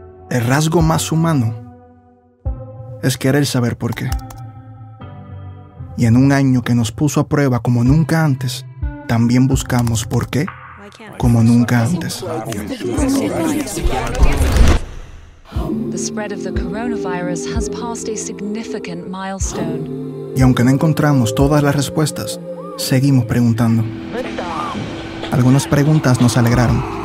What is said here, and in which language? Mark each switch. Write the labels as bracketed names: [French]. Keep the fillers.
[Spanish] El rasgo más humano es querer saber por qué. Y en un año que nos puso a prueba como nunca antes, también buscamos por qué como nunca antes. [English] The spread of the coronavirus has passed a significant milestone. [Spanish] Y aunque no encontramos todas las respuestas, seguimos preguntando. Algunas preguntas nos alegraron.